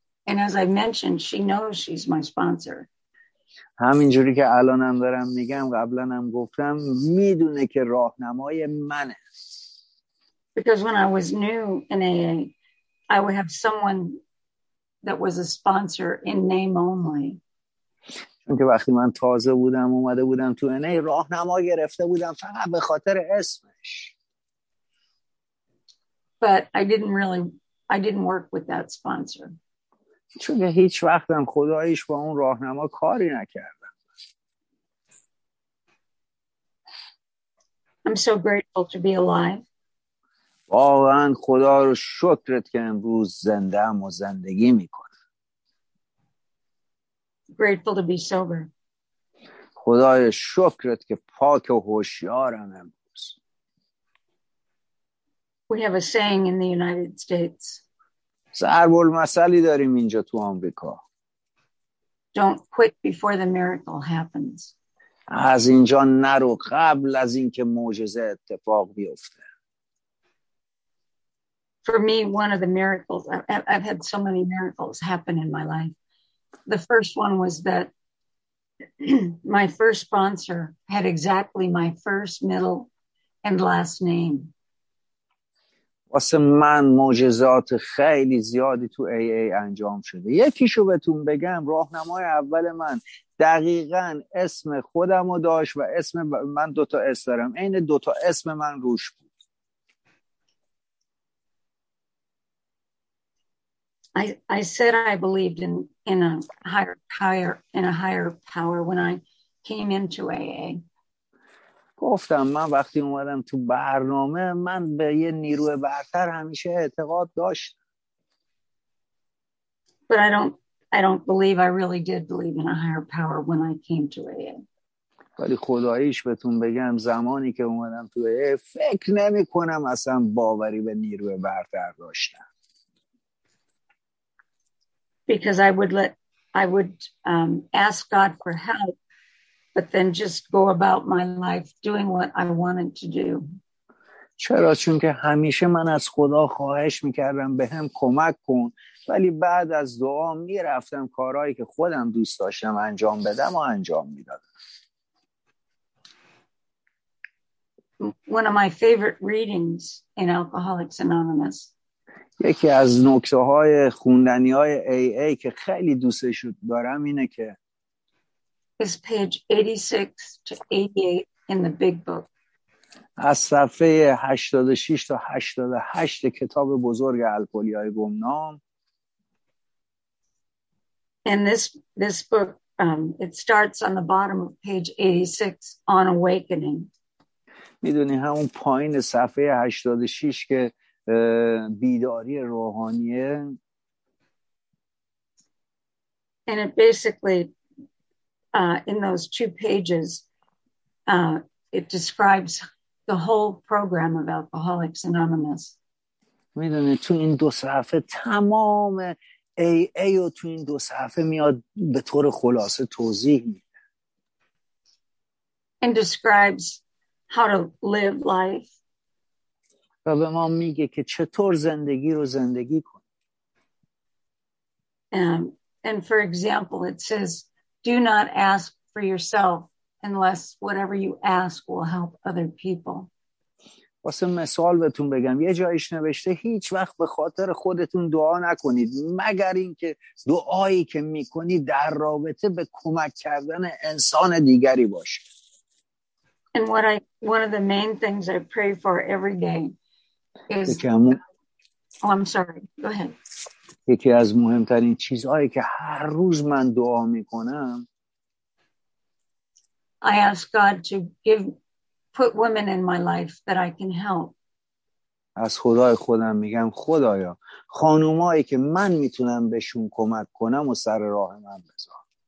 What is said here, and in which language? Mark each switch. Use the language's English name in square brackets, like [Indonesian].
[English] And as I mentioned, she knows she's my sponsor. [Persian] همینجوری که الانم دارم میگم قبلا هم گفتم میدونه که راهنمای منه. [English] Because when I was new in AA, I would have someone that was a sponsor in name only. [Persian] چون که وقتی من تازه بودم اومده بودم تو NA راهنما گرفته بودم فقط به خاطر اسمش. [English] But I didn't work with that sponsor. [Persian] چون که هیچ وقتم خداییش با اون راهنما کاری نکردم. [English] I'm so grateful to be alive. [Persian] واقعا خدا رو شکرت که امروز زنده ام و زندگی میکنم. [English] Grateful to be sober. [Persian] خدای شکرت که پاک و هوشیارم امروز. [English] We have a saying in the United States. [Persian] ضرب المثلی داریم اینجا تو آمریکا. [English] Don't quit before the miracle happens. [Persian] از اینجا نرو قبل از اینکه معجزه اتفاق بیفته. [English] For me, one of the miracles, I've had so many miracles happen in my life. The first one was that My first sponsor had exactly my first, middle, and last name. [Persian] واسه من معجزات خیلی زیادی تو AA انجام شده. یکیشو بهتون بگم، راهنمای اول من دقیقاً اسم خودمو داشت و اسم من دوتا اس دارم، عین دوتا اسم من روش بود. [English] I said I believed in a higher power when I came into AA. [Persian] گفتم من وقتی اومدم تو برنامه من به یه نیرو برتر همیشه اعتقاد داشت. [English] But I don't believe I really did believe in a higher power when I came to AA. [Persian] ولی خداییش بهتون بگم زمانی که اومدم تو AA فکر نمی کنم اصلا باوری به نیرو برتر داشتم. [English] Because I would ask God for help, but then just go about my life doing what I wanted to do. [Persian] چرا؟ چون که همیشه من از خدا خواهش میکردم به هم کمک کن، ولی بعد از دعا میرفتم کارهایی که خودم دوست داشتم انجام بدم و انجام میدادم. [English] One of my favorite readings in Alcoholics Anonymous. [Persian] یکی از نکته های خوندنی های AA که خیلی دوستش دارم اینه که [English] is page 86 to 88 in the big book. [Persian] از صفحه 86 تا 88 کتاب بزرگ الکلی‌های گمنام. [English] And this book it starts on the bottom of page 86 on awakening. [Persian] میدونی همون پایین صفحه 86 که بیداری روحانیه. [English] And it basically in those two pages it describes the whole program of Alcoholics Anonymous. [Persian] میدونی تو این دو صفحه تمام AA رو تو این دو صفحه میاد به طور خلاصه توضیح میده. [English] And describes how to live life. [Persian] و به ما میگه که چطور زندگی رو زندگی کنیم. [English] And for example it says do not ask for yourself unless whatever you ask will help other people. [Persian] واسه مثال بهتون بگم یه جایش نوشته هیچ وقت به خاطر خودتون دعا نکنید مگر اینکه دعایی که میکنید در رابطه به کمک کردن انسان دیگری باشه. [English] And what I one of the main things I pray for every day is I'm sorry. Go ahead. [Persian] یکی از مهمترین چیزهایی که هر روز من دعا میکنم [English] I ask God to put women in my life that I can help. [Persian] از خدای خودم میگم خدایا خانومایی که من میتونم بهشون کمک کنم و سر راه من بذار.